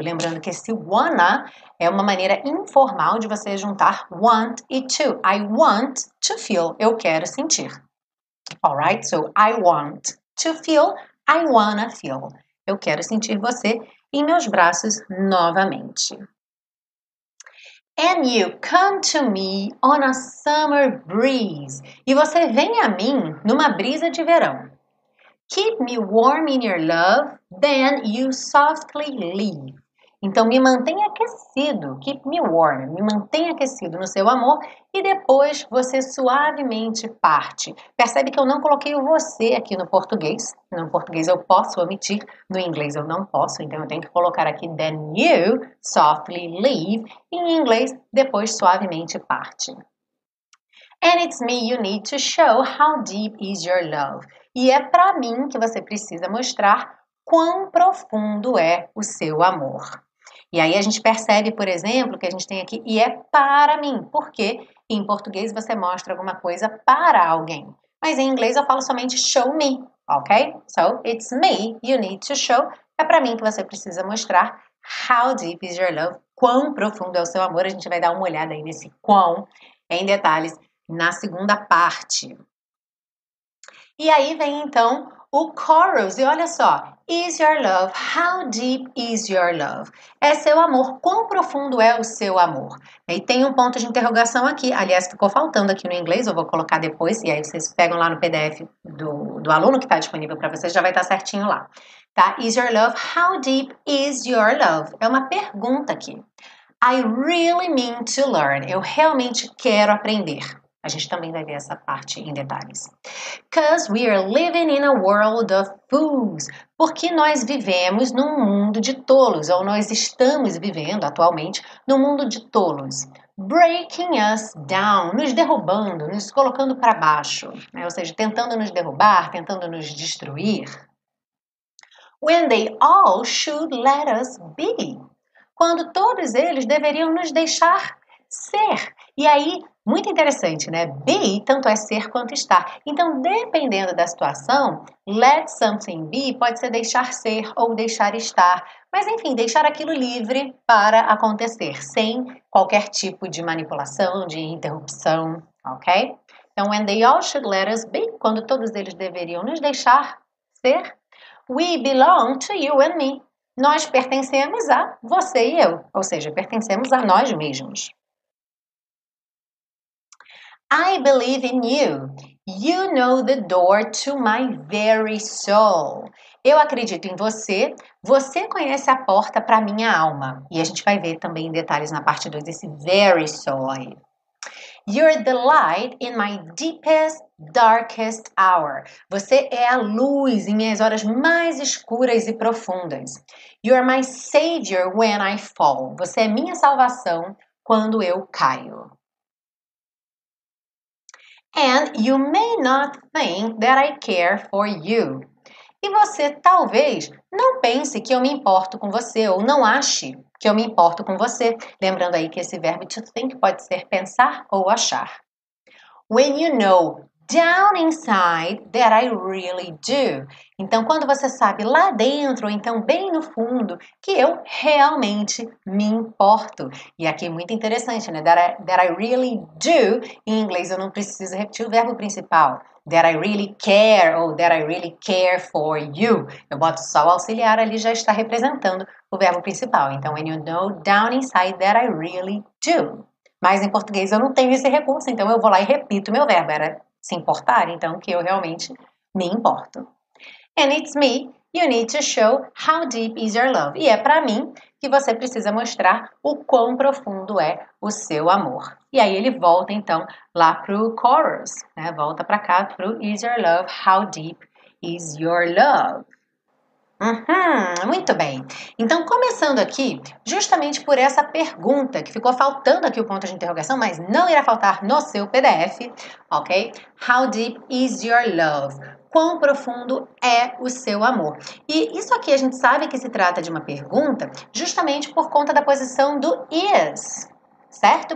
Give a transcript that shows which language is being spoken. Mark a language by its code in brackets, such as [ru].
[pt] Lembrando que esse wanna é uma maneira informal de você juntar want e to. [en] I want to feel. [pt] Eu quero sentir. [en] Alright? So, I want to feel. I wanna feel. [pt] Eu quero sentir você em meus braços novamente. [en] And you come to me on a summer breeze. [pt] E você vem a mim numa brisa de verão. [en] Keep me warm in your love, then you softly leave. [pt] Então me mantenha aquecido. [en] Keep me warm. [pt] Me mantenha aquecido no seu amor e depois você suavemente parte. Percebe que eu não coloquei o você aqui no português. No português eu posso omitir, no inglês eu não posso. Então eu tenho que colocar aqui [en] then you softly leave. [pt] E em inglês depois suavemente parte. [en] And it's me you need to show how deep is your love. [pt] E é para mim que você precisa mostrar quão profundo é o seu amor. E aí a gente percebe, por exemplo, que a gente tem aqui e é para mim, porque em português você mostra alguma coisa para alguém. Mas em inglês eu falo somente [en] show me, [pt] ok? [en] So it's me you need to show. [pt] É para mim que você precisa mostrar [en] how deep is your love, [pt] quão profundo é o seu amor. A gente vai dar uma olhada aí nesse quão em detalhes na segunda parte. E aí vem então o chorus, e olha só. [en] Is your love? How deep is your love? [pt] É seu amor. Quão profundo é o seu amor? E tem um ponto de interrogação aqui. Aliás, ficou faltando aqui no inglês. Eu vou colocar depois. E aí vocês pegam lá no PDF do aluno que está disponível para vocês. Já vai estar certinho lá. [en] Tá? Is your love? How deep is your love? [pt] É uma pergunta aqui. [en] I really mean to learn. [pt] Eu realmente quero aprender. A gente também vai ver essa parte em detalhes. [en] Because we are living in a world of fools. [pt] Porque nós vivemos num mundo de tolos, ou nós estamos vivendo atualmente num mundo de tolos. [en] Breaking us down, [pt] nos derrubando, nos colocando para baixo, né? Ou seja, tentando nos derrubar, tentando nos destruir. [en] When they all should let us be. [pt] Quando todos eles deveriam nos deixar ser. E aí, muito interessante, né? Be, tanto é ser quanto estar. Então, dependendo da situação, [en] let something be [pt] pode ser deixar ser ou deixar estar. Mas, enfim, deixar aquilo livre para acontecer, sem qualquer tipo de manipulação, de interrupção, ok? Então, [en] when they all should let us be, [pt] quando todos eles deveriam nos deixar ser, [en] we belong to you and me. [pt] Nós pertencemos a você e eu, ou seja, pertencemos a nós mesmos. [en] I believe in you. You know the door to my very soul. [pt] Eu acredito em você. Você conhece a porta para minha alma. E a gente vai ver também em detalhes na parte 2 desse very soul aí. [en] You're the light in my deepest, darkest hour. [pt] Você é a luz em minhas horas mais escuras e profundas. [en] You are my savior when I fall. [pt] Você é minha salvação quando eu caio. [en] And you may not think that I care for you. [pt] E você talvez não pense que eu me importo com você ou não ache que eu me importo com você. Lembrando aí que esse verbo to think pode ser pensar ou achar. [en] When you know down inside that I really do. [pt] Então, quando você sabe lá dentro, ou então bem no fundo, que eu realmente me importo. E aqui é muito interessante, né? [en] That I really do. [pt] Em inglês, eu não preciso repetir o verbo principal. [en] That I really care [pt] ou [en] that I really care for you. [pt] Eu boto só o auxiliar ali, já está representando o verbo principal. Então, [en] when you know down inside that I really do. [pt] Mas em português eu não tenho esse recurso, então eu vou lá e repito o meu verbo. Era se importar, então, que eu realmente me importo. [en] And it's me, you need to show how deep is your love. [pt] E é pra mim que você precisa mostrar o quão profundo é o seu amor. E aí ele volta, então, lá pro chorus, né? Volta pra cá pro [en] is your love, how deep is your love. [pt] Muito bem. Então, começando aqui, justamente por essa pergunta que ficou faltando aqui o ponto de interrogação, mas não irá faltar no seu PDF, ok? [en] How deep is your love? [pt] Quão profundo é o seu amor? E isso aqui a gente sabe que se trata de uma pergunta justamente por conta da posição do is, certo?